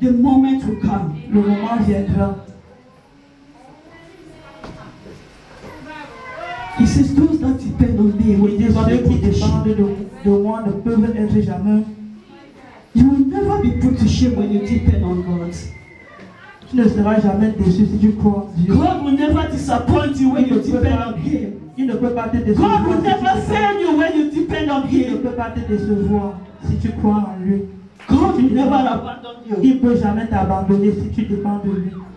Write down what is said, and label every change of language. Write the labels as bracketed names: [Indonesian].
[English] the moment will come. [French] Le moment viendra. [English] He says, those that depend on me will never be put to shame. [French] De moi ne peuvent être jamais. [English] You will never be put to shame when you depend on God. [French] Tu ne seras jamais déçu si tu crois en Dieu. [English] God will never disappoint you when you depend on Him. [French] Il ne peut pas te décevoir. [English] God will never fail you when you depend on Him. [French] Il ne peut pas te décevoir si tu crois en lui. [English] God will never abandon you. [French] Il ne peut jamais t'abandonner si tu dépends de lui.